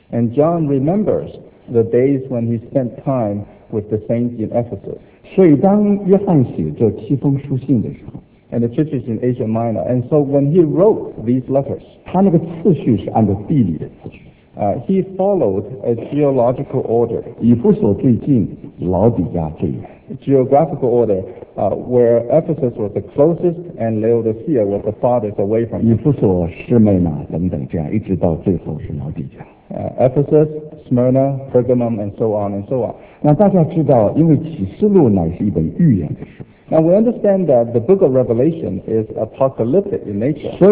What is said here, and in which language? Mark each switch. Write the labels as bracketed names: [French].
[English] And John remembers the days when he spent time with the saints in Ephesus. [Chinese] 所以当约翰写这7封书信的时候， [English] and the churches in Asia Minor, and so when he wrote these letters, [Chinese] 他那个次序是按照地理的次序。 [English] He followed a geological order. [Chinese] 以弗所最近，老底嘉最远。 [English] Geographical order, where Ephesus was the closest and Laodicea was the farthest away from. [Chinese] 以弗所、施美那等等这样，一直到最后是老底嘉。 [English] Ephesus, Smyrna, Pergamum, and so on and so on. [Chinese] 那大家知道，因为启示录乃是一本预言的书。 [English] Now we understand that the book of Revelation is apocalyptic in nature.